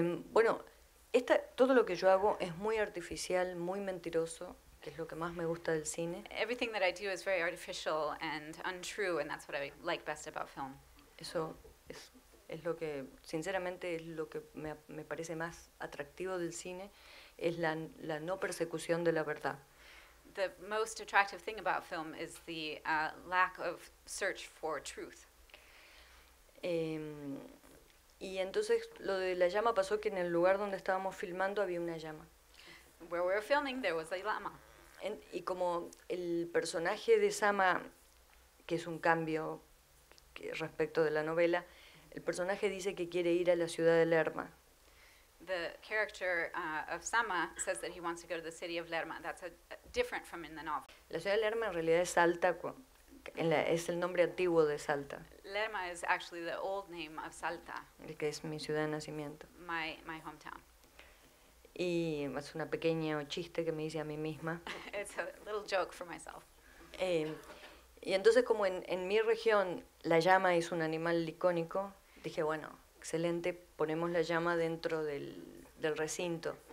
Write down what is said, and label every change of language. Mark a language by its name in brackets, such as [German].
[Spanish] Bueno, todo lo que yo hago es muy artificial, muy mentiroso, que es lo que más me gusta del cine. [English] Everything that I do is very artificial and untrue, and that's what I like best about film. [Spanish] Eso es lo que, sinceramente, es lo que me parece más atractivo del cine, es la no persecución de la verdad. [English] The most attractive thing about film is the lack of search for truth. [Spanish] Y entonces lo de la llama pasó que en el lugar donde estábamos filmando había una llama. [English] Where we were filming, there was a llama. [Spanish] Y como el personaje de Sama, que es un cambio respecto de la novela, el personaje dice que quiere ir a la ciudad de Lerma. [English] The character of Sama says that he wants to go to the city of Lerma. That's different from in the novel. [Spanish] La ciudad de Lerma en realidad es Salta, es el nombre antiguo de Salta. [English] Lerma is actually the old name of Salta. [Spanish] El que es mi ciudad de nacimiento. [English] My hometown. [Spanish] Y es un pequeño chiste que me hice a mí misma. [English] It's a little joke for myself. [Spanish] Y entonces como en mi región la llama es un animal icónico, dije, bueno, excelente, ponemos la llama dentro del recinto.